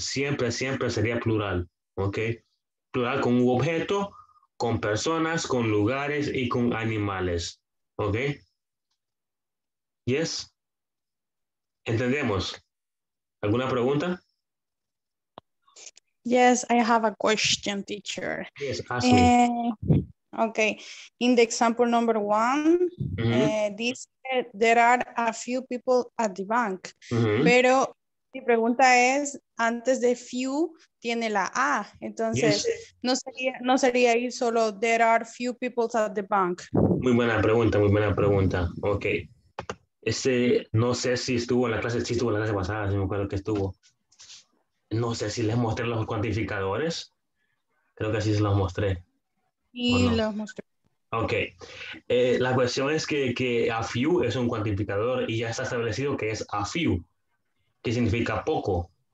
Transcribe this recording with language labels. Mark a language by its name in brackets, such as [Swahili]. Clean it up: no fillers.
[Spanish] Siempre, siempre sería plural. Okay. Plural con un objeto, con personas, con lugares y con animales. Okay. Yes. Entendemos. ¿Alguna pregunta? [English] Yes, I have a question, teacher. Yes, ask me. Okay, in the example number one, dice, there are a few people at the bank. [Spanish] Pero mi pregunta es, antes de few, tiene la A. Entonces, no sería ir solo, [English] there are few people at the bank. [Spanish] Muy buena pregunta, muy buena pregunta. Okay. Este, no sé si estuvo en la clase, sí estuvo en la clase pasada, si me acuerdo que estuvo. No sé si les mostré los cuantificadores. Creo que sí se los mostré. Sí, no. Los mostré. Ok. La cuestión es que a few es un cuantificador y ya está establecido que es a few, que significa poco.